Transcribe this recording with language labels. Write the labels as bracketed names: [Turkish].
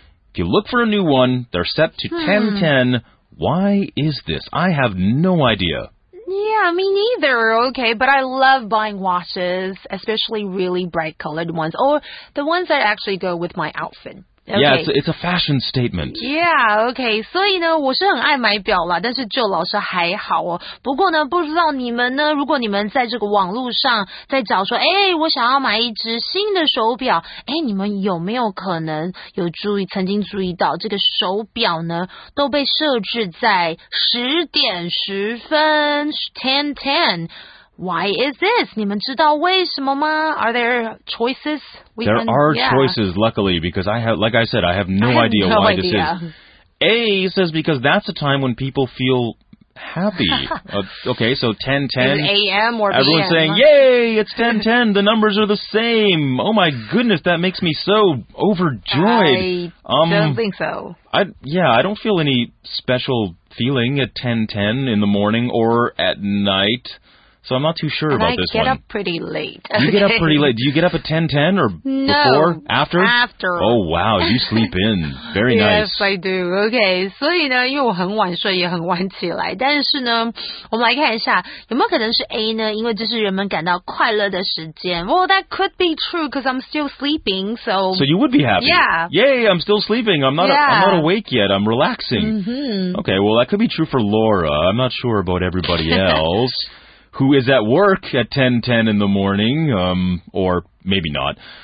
[English] If you look for a new one, they're set to 10:10. Why is this? I have no idea. Yeah, me neither, okay, but I love buying watches, especially really bright colored ones, or the ones that actually go with my outfit. Okay. Yeah, it's a fashion statement. Yeah, okay. [Chinese] 所以呢，我是很爱买表啦，但是就老师还好哦。不过呢，不知道你们呢，如果你们在这个网络上在找说，哎，我想要买一只新的手表，哎，你们有没有可能有曾经注意到这个手表呢，都被设置在10:10 10:10。 [English] Why is this? [Chinese] 你们知道为什么吗? [English] Are there choices? There are choices, luckily, because I have no idea why this is. A says because that's a time when people feel happy. Okay, so 10:10. Is AM or PM? Everyone's saying, yay, it's 10:10. The numbers are the same. Oh my goodness, that makes me so overjoyed. I don't think so. I don't feel any special feeling at 10:10 in the morning or at night. So I'm not too sure about this one. And I get up pretty late. You get up pretty late. Do you get up at 10:10 or no, before? After? After. Oh, wow. You sleep in. Very nice. Yes, I do. Okay. [Chinese] 所以呢因为我很晚睡也很晚起来。但是呢我们来看一下有没有可能是 A 呢因为这是人们感到快乐的时间。 [English] Well, that could be true because I'm still sleeping, so... So you would be happy. Yeah. Yay, I'm still sleeping. I'm not awake yet. I'm relaxing. Mm-hmm. Okay, well, that could be true for Laura. I'm not sure about everybody else. Who is at work at 10:10 in the morning, or maybe not.